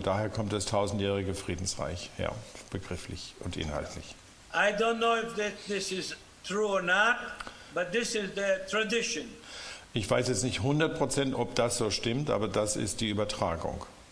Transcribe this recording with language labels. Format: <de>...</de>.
<de>Daher kommt das tausendjährige Friedensreich, ja, begrifflich und inhaltlich.</de> <en>I don't know if that this is true or not, but this is the tradition.</en> <de>Ich weiß jetzt nicht 100%, ob das so stimmt, aber das ist die Übertragung.</de>